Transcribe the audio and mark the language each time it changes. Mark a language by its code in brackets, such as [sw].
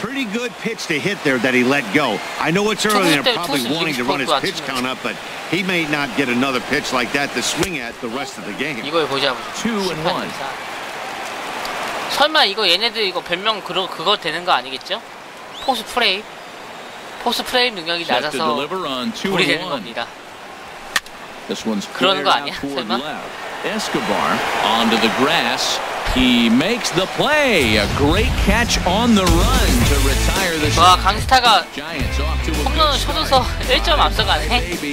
[en] Pretty good pitch to hit there that he let go. I know it's early and probably wanting to run his pitch count up, but he may not get another pitch like that to swing at the rest of the game. [ko] 이거 보자. 2-1. 설마 이거 얘네들 이거 별명 그거 되는 거 아니겠죠? 포스 프레임. 포스 프레임 능력이 낮아서 불이 되는 겁니다. [en] This one's [ko] 그런 거 아니야? 설마? [en] Escobar onto the grass. He makes the play. A great catch on the run to retire the. [ko] 와 강스타가 홈런을 쳐줘서 1점 앞서가네.